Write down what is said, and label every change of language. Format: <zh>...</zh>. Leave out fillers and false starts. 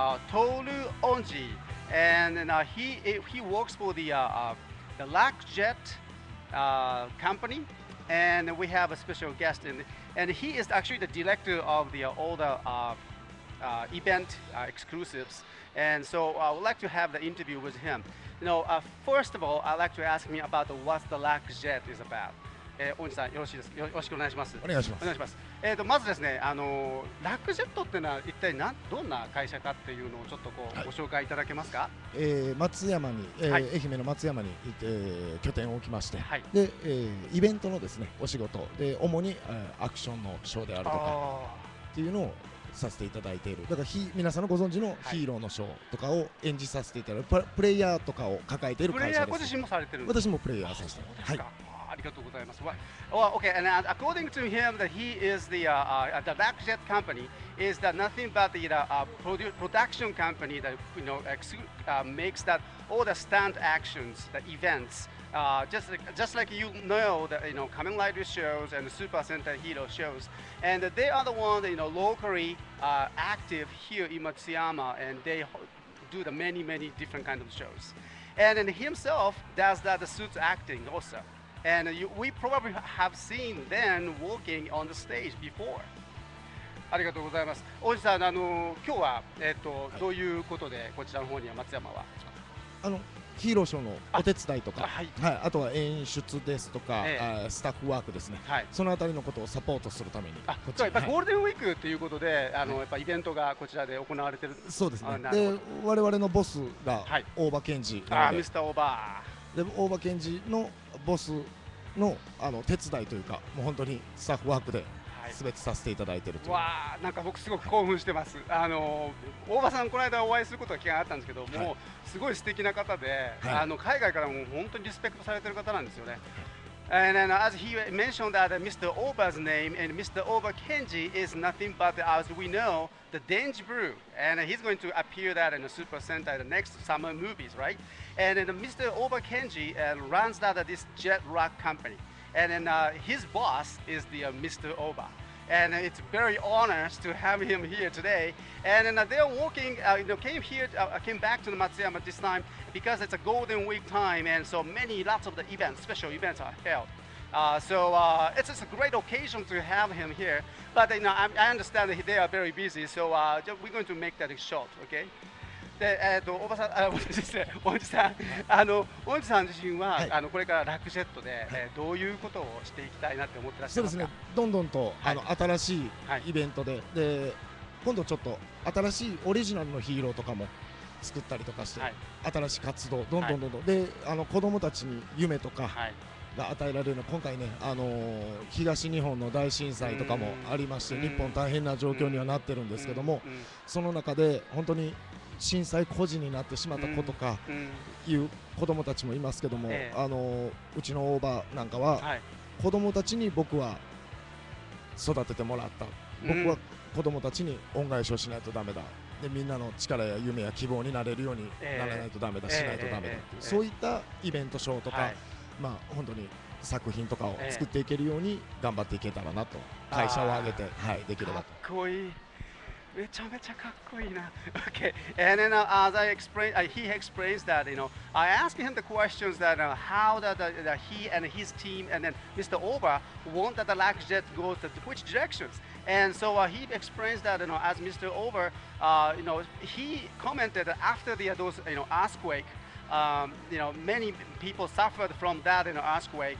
<en>Toru Onji and he works for the Lakjet company and we have a special guest in, and he is actually the director of the older event exclusives. And so I would like to have the interview with him. You know, first of all, I'd like to ask me about what the Lakjet is about.</en> <ja>Onji-san, よろしくお願いします。お願いします。まずですね、Lakjet ってのは一体どんな会社かっていうのをちょっとこう、はい、ご紹介いただけますか。松山に、はい、愛媛の松山に、拠点を置きまして、はい、で、イベントのですね、お仕事で主にアクションのショーであるとかっていうのをさせていただいている。だから皆さんのご存知のヒーローのショーとかを演じさせていただく、はい、プレイヤーとかを抱えている会社です。プレイヤーご自身もされてる。私もプレイヤーさせていただく。ありがとうございます。</ja> <en>Well, okay, and according to him, that he is the Lakjet company is that nothing but the production company that you know makes that all the stunt actions, the events, just like you know the you know Kamen Rider shows and the Super Sentai Hero shows, and they are the ones you know locally active here in Matsuyama, and they do the many different kind of shows, and then himself does that the suit acting also. And you, we probably have seen them walking on the stage before.</en> <ja>ありがとうございます。おじさん、今日は、はい、どういうことでこちらの方には松山は？ヒーローショーのお手伝いとか、はい、あとは演出ですとか、スタッフワークですね、はい、そのあたりのことをサポートするためにこっちやっぱゴールデンウィークということで、はい、やっぱイベントがこちらで行われてる。そうですね。で、我々のボスが大場健二なので、ミスターオーバーで、大場健二のボス の, 手伝いというか、もう本当にスタッフワークで全てさせていただいているという、はい、うわー、なんか僕すごく興奮してます。はい、大場さん、この間お会いすることが機会あったんですけど、はい、もうすごい素敵な方で、はい、海外からも本当にリスペクトされてる方なんですよね。</ja> <en>はい、And as he mentioned that Mr. Oba's name and Mr. Oba Kenji is nothing but, as we know, the Denji Brew. And he's going to appear that in the Super Sentai, the next summer movies, right? And then Mr. Oba Kenji runs that this Jet Rock company. And then his boss is the Mr. Oba. And it's very honored to have him here today. And then they're walking, you know, came here, came back to the Matsuyama this time because it's a golden week time. And so many lots of the events, special events are held. So it's just a great occasion to have him here. But you know, I understand that they are very busy. So we're going to make that short, okay?</en> <ja>で、おばさん、おんじさん自身は、はい、これからラクジェットで、はい、どういうことをしていきたいなって思ってらっしゃいますか。そうですね、どんどんと、はい、新しいイベント で、はい、で今度ちょっと新しいオリジナルのヒーローとかも作ったりとかして、はい、新しい活動どんどん、はい、で子供たちに夢とかが与えられるの、今回ね、東日本の大震災とかもありまして、日本大変な状況にはなってるんですけども、その中で本当に震災孤児になってしまった子とかいう子供たちもいますけども、うちの大場なんかは子供たちに僕は育ててもらった、僕は子供たちに恩返しをしないとダメだ、でみんなの力や夢や希望になれるようにならないとダメだ、しないとダメだ、そういったイベントショーとか、まあ本当に作品とかを作っていけるように頑張っていけたらなと、会社を挙げて、はい、できればと。かっこいい、めちゃめちゃかっこいいな。</ja> <en>Okay, and then as I explain, he explains that, you know, I asked him the questions that how that he and his team and then Mr. Oba want that the Lakjet goes to which directions. And so he explains that, you know, as Mr. Oba, you know, he commented that after the, those, you know, earthquake, you know, many people suffered from that, you know, earthquake.</en>